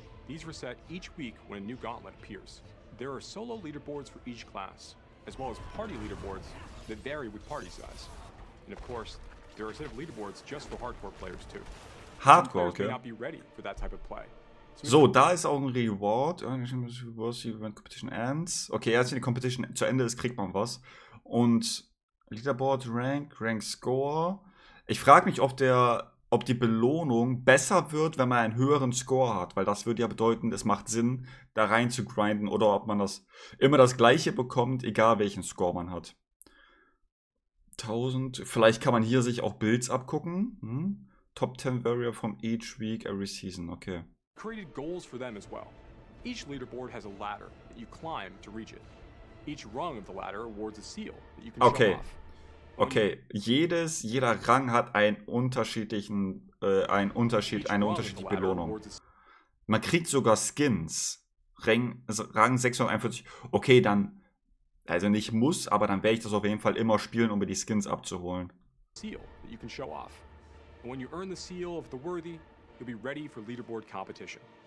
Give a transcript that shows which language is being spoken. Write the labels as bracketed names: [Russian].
[English] These reset each week when a new Gauntlet appears. There are solo leaderboards for each class, as well as party leaderboards that vary with party size. And of course, there are a set of leaderboards just for hardcore players too. Hardcore, okay. Some players may not be ready for that type of play. [German] So, da ist auch ein Reward. [English] Competition ends. [German] Okay, erst wenn die Competition zu Ende ist, kriegt man was. Und Leaderboard Rank, Rank Score. Ich frage mich, ob die Belohnung besser wird, wenn man einen höheren Score hat. Weil das würde ja bedeuten, es macht Sinn, da rein zu grinden. Oder ob man das immer das Gleiche bekommt, egal welchen Score man hat. 1000. Vielleicht kann man hier sich auch Builds abgucken. [English] Hm? Top 10 Warrior from each week, every season. Okay. Created goals for them as well. Each leaderboard has a ladder that you climb to reach it. Each rung of the ladder awards a seal that you can show off. [German] Okay. Okay, jeder Rang hat eine unterschiedliche Belohnung. Man kriegt sogar Skins. Rang 641. Okay, dann also nicht muss, aber dann werde ich das auf jeden Fall immer spielen, um mir die Skins abzuholen. [English] Seal that you can show off. And when you earn the seal of the worthy, you'll be ready for leaderboard competition.